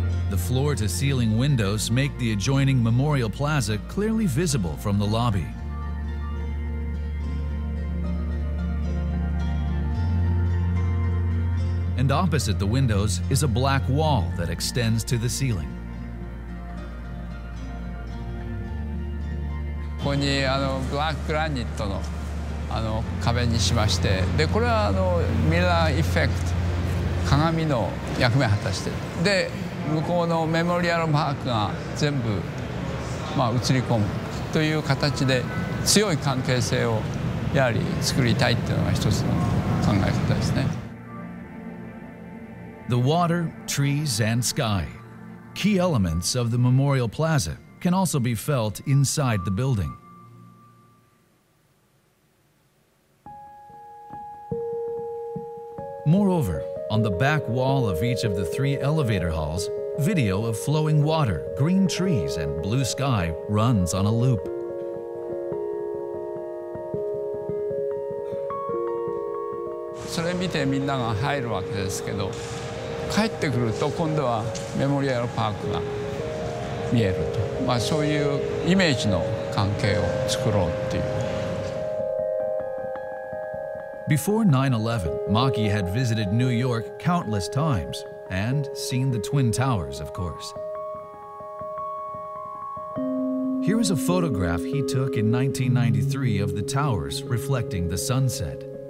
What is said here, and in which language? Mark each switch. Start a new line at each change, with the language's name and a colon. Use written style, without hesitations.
English: The floor-to-ceiling windows make the adjoining Memorial Plaza clearly visible from the lobby. And opposite the windows is a black wall that extends to the ceiling.
Japanese: ここにあのブラックグラニットのあの壁にしまして、でこれはあのミラーエフェクト、鏡の役目を果たして、で向こうのメモリアルマークが全部まあ映り込むという形で強い関係性をやはり作りたいというのが一つの考え方ですね。
English: The water, trees, and sky, key elements of the Memorial Plaza, can also be felt inside the building. Moreover, on the back wall of each of the three elevator halls, video of flowing water, green trees, and blue sky runs on a loop.
Japanese: それ見てみんなが入るわけですけど、帰ってくると今度はメモリアルパークが見えると、まあ、そういうイメージの関係を作ろうっていう。
English: Before 9/11, Maki had visited New York countless times and seen the Twin Towers, of course. Here is a photograph he took in 1993 of the towers reflecting the sunset.